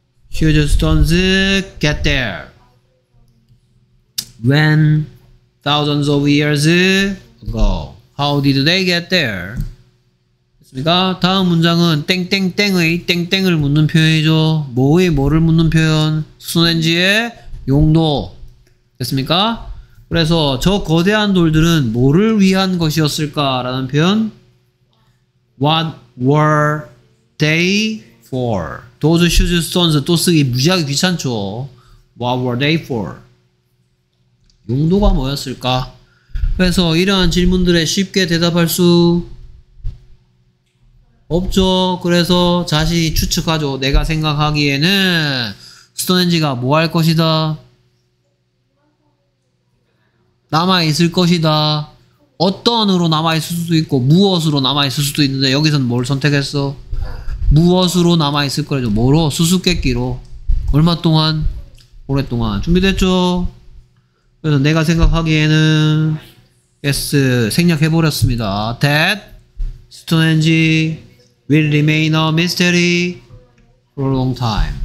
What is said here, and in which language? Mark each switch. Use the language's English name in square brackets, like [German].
[English] Huge stones get there when thousands of years ago. How did they get there? [Korean] 됐습니까? 다음 문장은 땡땡땡의 땡땡을 묻는 표현이죠. 뭐의 뭐를 묻는 표현? 스톤헨지의 용도. 됐습니까? 그래서 저 거대한 돌들은 뭐를 위한 것이었을까? 라는 표현. [English] What were they for? Those huge stones [Korean] 또 쓰기 무지하게 귀찮죠. [English] What were they for? [Korean] 용도가 뭐였을까? 그래서 이러한 질문들에 쉽게 대답할 수 없죠. 그래서 자신이 추측하죠. 내가 생각하기에는 스톤헨지가 뭐 할 것이다? 남아있을 것이다. 어떤으로 남아있을 수도 있고 무엇으로 남아있을 수도 있는데 여기서는 뭘 선택했어? 무엇으로 남아있을 거라죠. 뭐로? 수수께끼로. 얼마 동안? 오랫동안. 준비됐죠? 그래서 내가 생각하기에는 Yes, 생략해버렸습니다. [English] That Stonehenge will remain a mystery for a long time.